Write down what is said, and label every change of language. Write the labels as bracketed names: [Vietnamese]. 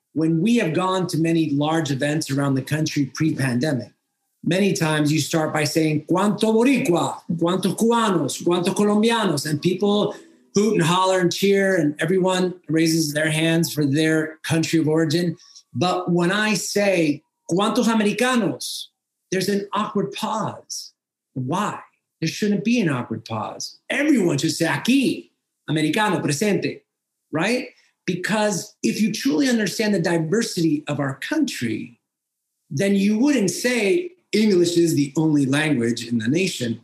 [English] When we have gone to many large events around the country pre-pandemic, many times you start by saying, [Spanish] ¿Cuánto boricua? ¿Cuánto cubanos? ¿Cuánto colombianos? [English] And people hoot and holler and cheer, and everyone raises their hands for their country of origin. But when I say, [Spanish] ¿Cuántos americanos? [English] There's an awkward pause. Why? There shouldn't be an awkward pause. Everyone should say, [Spanish] aquí, americano, presente, [English] right? Because if you truly understand the diversity of our country, then you wouldn't say English is the only language in the nation.